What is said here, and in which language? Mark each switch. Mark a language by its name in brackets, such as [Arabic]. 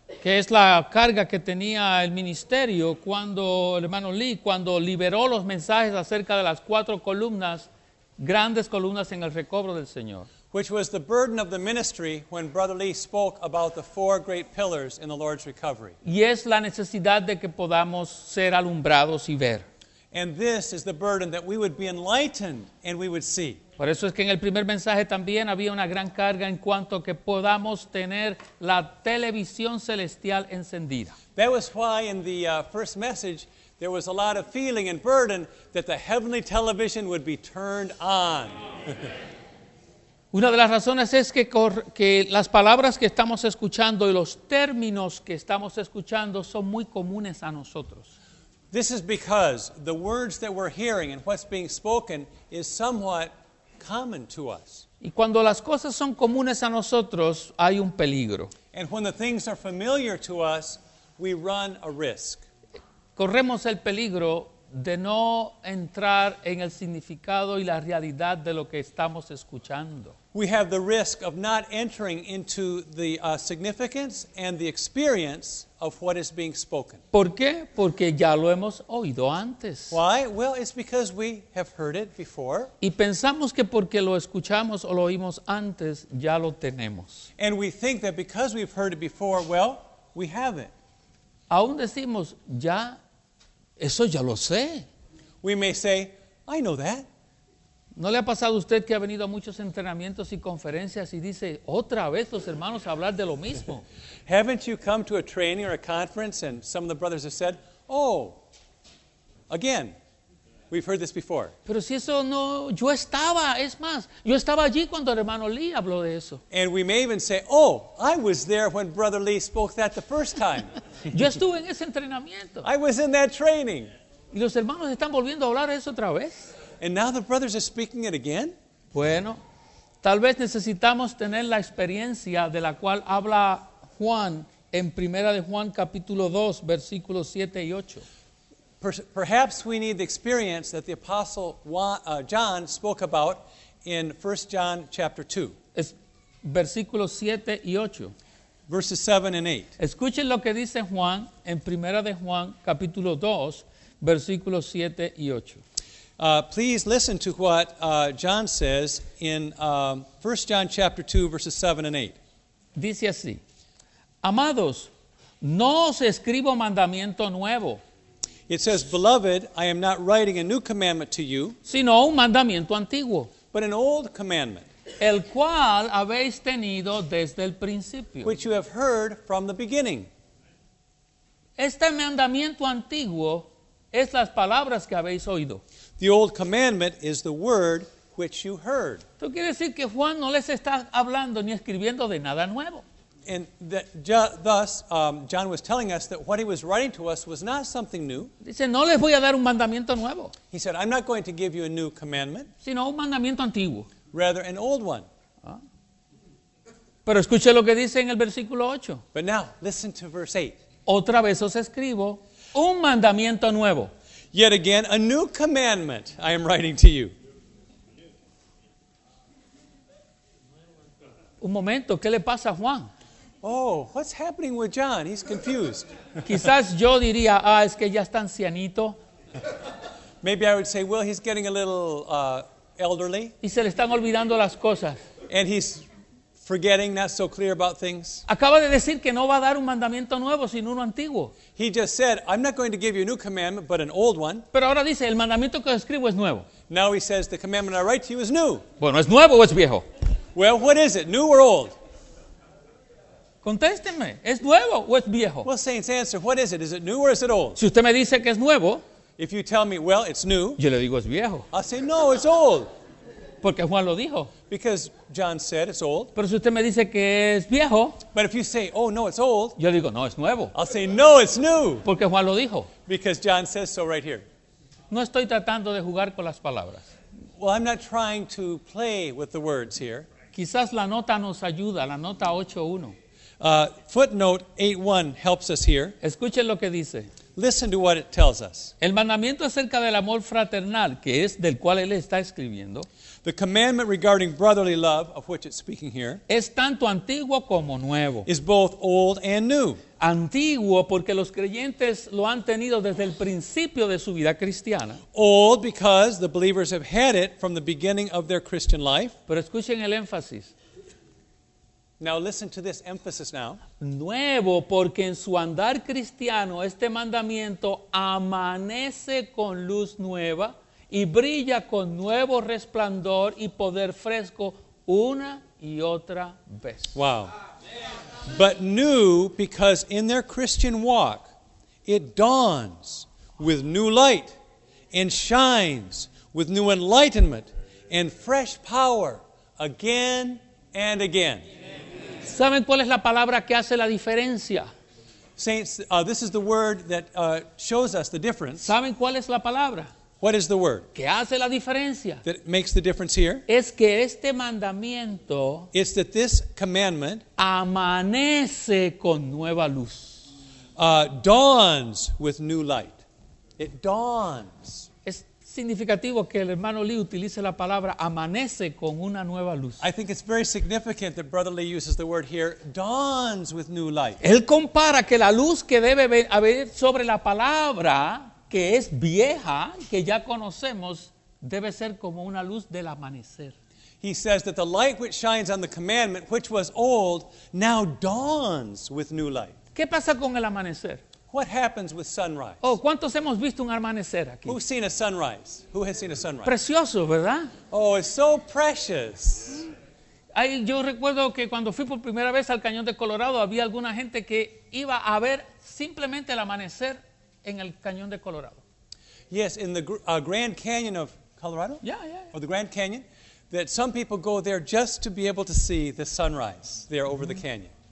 [Spanish] Que es la carga que tenía el ministerio cuando el hermano Lee, cuando liberó los mensajes acerca de las cuatro columnas, grandes columnas en el recobro del Señor. [English] Which was the burden of the ministry when Brother Lee spoke about the four great pillars in the Lord's recovery. [Spanish] Y es la necesidad de que podamos ser alumbrados y ver. [English] And this is the burden that we would be enlightened and we would see. [Spanish] Por eso es que en el primer mensaje también había una gran carga en cuanto que podamos tener la televisión celestial encendida. [English] That was why in the first message there was a lot of feeling and burden that the heavenly television would be turned on. [Spanish] Una de las razones es que las palabras que estamos escuchando y los términos que estamos escuchando son muy comunes a nosotros. [English] This is because the words that we're hearing and what's being spoken is somewhat common to us. [Spanish] Y cuando las cosas son comunes a nosotros, hay un peligro. [English] And when the things are familiar to us, we run a risk. [Spanish] Corremos el peligro de no entrar en el significado y la realidad de lo que estamos escuchando. [English] We have the risk of not entering into the significance and the experience of what is being spoken. [Spanish] ¿Por qué? Porque ya lo hemos oído antes. [English] Why? Well, it's because we have heard it before. [Spanish] Y pensamos que porque lo escuchamos o lo oímos antes, ya lo tenemos. [English] And we think that because we've heard it before, well, we have it. [Spanish] Aún decimos, ya, eso ya lo sé. [English] We may say, I know that. [Spanish] ¿No le ha pasado a usted que ha venido a muchos entrenamientos y conferencias y dice otra vez los hermanos a hablar de lo mismo? [English] Haven't you come to a training or a conference and some of the brothers have said, oh, again, we've heard this before. [Spanish] Pero si eso no, yo estaba, es más, yo estaba allí cuando el hermano Lee habló de eso. [English] And we may even say, oh, I was there when Brother Lee spoke that the first time. [Spanish] Yo estuve en ese entrenamiento. [English] I was in that training. [Spanish] Y los hermanos están volviendo a hablar de eso otra vez. [English] And now the brothers are speaking it again? [Spanish] Bueno, tal vez necesitamos tener la experiencia de la cual habla Juan en Primera de Juan capítulo 2, versículos 7 y 8. [English] Perhaps we need the experience that the apostle John spoke about in 1 John chapter 2. [Spanish] Es versículos 7 y 8. [English] Verses 7 and 8. [Spanish] Escuchen lo que dice Juan en Primera de Juan capítulo 2, versículos 7 y 8. [English] Please listen to what John says in 1 John chapter 2, verses 7 and 8. [Spanish] Dice así: Amados, no os escribo mandamiento nuevo. [English] It says, Beloved, I am not writing a new commandment to you, [Spanish] sino un mandamiento antiguo, [English] but an old commandment, [Spanish] el cual habéis tenido desde el principio, [English] which you have heard from the beginning. [Spanish] Este mandamiento antiguo es las palabras que habéis oído. [English] The old commandment is the word which you heard. [Spanish] Esto quiere decir que Juan no les está hablando ni escribiendo de nada nuevo. [English] And that, thus, John was telling us that what he was writing to us was not something new. [Spanish] Dice, no les voy a dar un mandamiento nuevo. [English] He said, I'm not going to give you a new commandment, [Spanish] sino un mandamiento antiguo. [English] Rather, an old one. [Spanish] Pero escuche lo que dice en el versículo 8. [English] But now, listen to verse 8. [Spanish] Otra vez os escribo un mandamiento nuevo. [English] Yet again, a new commandment I am writing to you. [Spanish] Un momento, ¿qué le pasa a Juan? [English] Oh, what's happening with John? He's confused. [Spanish] Quizás yo diría, es que ya está ancianito. [English] Maybe I would say, well, he's getting a little elderly. [Spanish] Y se le están olvidando las cosas. [English] And he's forgetting, not so clear about things. [Spanish] Acaba de decir que no va a dar un mandamiento nuevo, sino uno antiguo. [English] He just said, I'm not going to give you a new commandment, but an old one. [Spanish] Pero ahora dice, el mandamiento que escribo es nuevo. [English] Now he says, the commandment I write to you is new. [Spanish] Bueno, ¿es nuevo o es viejo? [English] Well, what is it, new or old? [Spanish] Contésteme, ¿es nuevo o es viejo? [English] Well, saints, answer, what is it? Is it new or is it old? [Spanish] Si usted me dice que es nuevo, [English] if you tell me, well, it's new, [Spanish] yo le digo es viejo. [English] I say, no, it's old. [Spanish] Porque Juan lo dijo. [English] Because John said it's old. [Spanish] Pero si usted me dice que es viejo, [English] but if you say, oh, no, it's old, [Spanish] yo digo, no, es nuevo. [English] I'll say, no, it's new. [Spanish] Porque Juan lo dijo. [English] Because John says so right here. [Spanish] No estoy tratando de jugar con las palabras. [English] Well, I'm not trying to play with the words here. [Spanish] Quizás la nota nos ayuda, la nota 8.1. [English] Footnote 8.1 helps us here. [Spanish] Escuchen lo que dice. [English] Listen to what it tells us. [Spanish] El mandamiento acerca del amor fraternal, que es del cual él está escribiendo. [English] The commandment regarding brotherly love, of which it's speaking here. [Spanish] Es tanto antiguo como nuevo. [English] Is both old and new. [Spanish] Antiguo porque los creyentes lo han tenido desde el principio de su vida cristiana. [English] Old because the believers have had it from the beginning of their Christian life. [Spanish] Pero escuchen el énfasis. [English] Now listen to this emphasis now. [Spanish] Nuevo porque en su andar cristiano este mandamiento amanece con luz nueva y brilla con nuevo resplandor y poder fresco una y otra vez. [English] Wow. But new because in their Christian walk it dawns with new light and shines with new enlightenment and fresh power again and again. [Spanish] ¿Saben cuál es la palabra que hace la diferencia? [English] Saints, this is the word that shows us the difference. [Spanish] ¿Saben cuál es la palabra? [English] What is the word? [Spanish] ¿Qué hace la diferencia? [English] That makes the difference here. [Spanish] Es que este mandamiento, [English] it's that this commandment, [Spanish] amanece con nueva luz. [English] Dawns with new light. It dawns. [Spanish] Es significativo que el hermano Lee utilice la palabra amanece con una nueva luz. [English] I think it's very significant that Brother Lee uses the word here, dawns with new light. [Spanish] Él compara que la luz que debe haber sobre la palabra que es vieja, que ya conocemos, debe ser como una luz del amanecer. [English] He says that the light which shines on the commandment, which was old, now dawns with new light. [Spanish] ¿Qué pasa con el amanecer? [English] What happens with sunrise? [Spanish] Oh, ¿cuántos hemos visto un amanecer aquí? [English] Who's seen a sunrise? Who has seen a sunrise? [Spanish] Precioso, ¿verdad? [English] Oh, it's so precious. [Spanish] Yo recuerdo que cuando fui por primera vez al Cañón de Colorado, había alguna gente que iba a ver simplemente el amanecer en el Cañón de Colorado. [English] Yes, in the Grand Canyon of Colorado? Yeah. Or the Grand Canyon, that some people go there just to be able to see the sunrise there over the canyon.